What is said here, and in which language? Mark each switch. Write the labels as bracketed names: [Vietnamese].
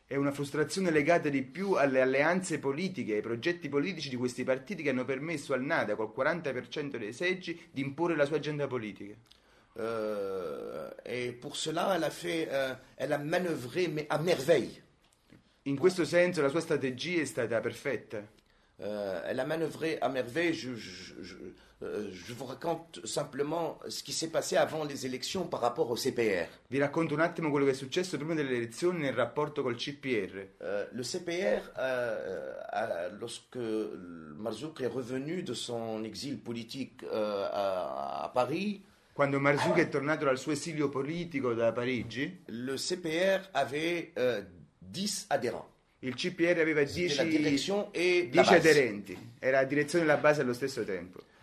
[Italian] È una frustrazione legata di più alle alleanze politiche, ai progetti politici di questi partiti che hanno permesso al Nada, col 40% dei seggi, di imporre la sua agenda politica. [French] Et pour cela, elle a fait, elle a manœuvré mais à merveille. [Italian] In questo senso, la sua strategia è stata perfetta. [French] Elle a manœuvré à merveille. Je vous raconte simplement ce qui s'est passé avant les élections par rapport au CPR. [Italian] Vi racconto un attimo quello che è successo prima delle elezioni nel rapporto col CPR. [French] Le CPR, lorsque Marzouk est revenu de son exil politique à Paris. [Italian] Quando Marzouk è tornato dal suo esilio politico da Parigi, [French] le CPR avait 10 adhérents. [Italian] Il CPR aveva 10 10 aderenti. Era la direzione e la base allo stesso tempo.